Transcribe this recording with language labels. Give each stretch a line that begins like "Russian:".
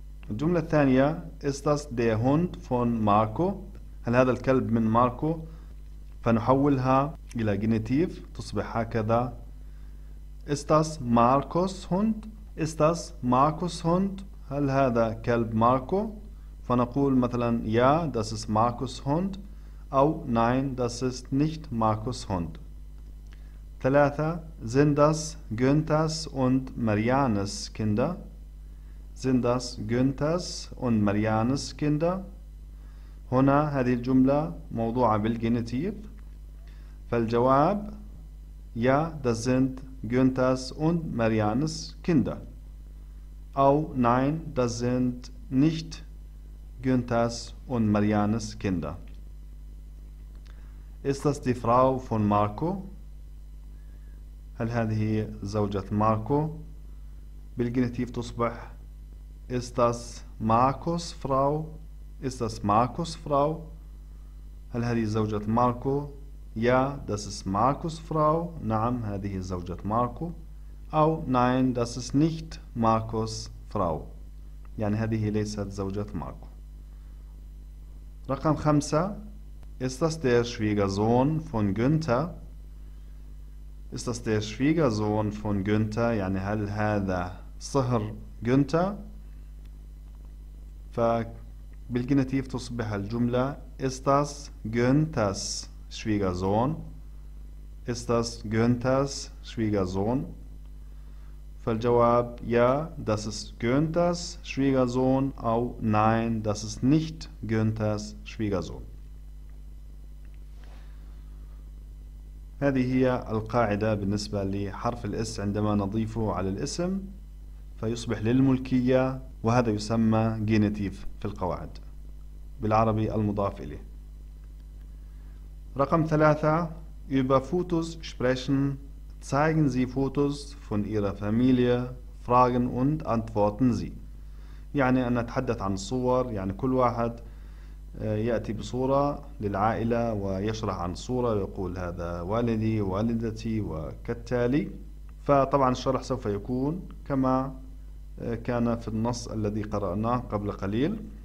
Arabic: الجملة الثانية
German: ist das der Hund von Marco.
Arabic: هل هذا الكلب من ماركو؟ فنحولها إلى genitiv تصبح هكذا.
German: Ist das Marcos Hund? Ist das Marcos Hund?
Arabic: هل هذا كلب ماركو؟ فنقول مثلا
German: ja, das ist Marcos Hund
Arabic: أو
German: nein, das ist nicht Marcos Hund.
Arabic: ثلاثة
German: sind das Günthers und Marianes Kinder? Sind das Günthers und Marianes Kinder?
Arabic: هنا هذه الجملة موضوعة بالجينيتيف. فالجواب
German: ja, das sind Günthers und Marianes Kinder.
Arabic: أو
German: nein, das sind nicht Günthers und Marianes Kinder. Ist das die Frau von Marco?
Arabic: هل هذه زوجة ماركو؟ بالجينيتيف تصبح
German: Ist das Marcos Frau? Ist das Marcos Frau?
Arabic: هل هذه زوجة ماركو؟
German: Ja, das ist Marcos Frau.
Arabic: نعم, هذه زوجة ماركو. أو
German: nein, das ist nicht Marcos Frau.
Arabic: يعني هذه ليست زوجة ماركو. رقم خمسة.
German: Ist das der Schwiegersohn von Günther? Ist das der Schwiegersohn von Günther?
Arabic: يعني هل هذا صهر Günther؟ فبالجينيتيف تصبح الجملة
German: Ist das Günthers Schwiegersohn? Ist das Günthers Schwiegersohn?
Arabic: فالجواب
German: Ja, das ist Günthers Schwiegersohn
Arabic: أو
German: Nein, das ist nicht Günthers Schwiegersohn.
Arabic: هذه هي القاعدة بالنسبة لحرف الاس عندما نضيفه على الاسم فيصبح للملكية وهذا يسمى genitive في القواعد بالعربي المضاف إليه. رقم ثلاثة
German: Über Fotos sprechen zeigen Sie Fotos von Ihrer Familie fragen und antworten Sie.
Arabic: يعني أن نتحدث عن الصور يعني كل واحد يأتي بصورة للعائلة ويشرح عن الصورة ويقول هذا والدي والدتي وكالتالي فطبعا الشرح سوف يكون كما كان في النص الذي قرأناه قبل قليل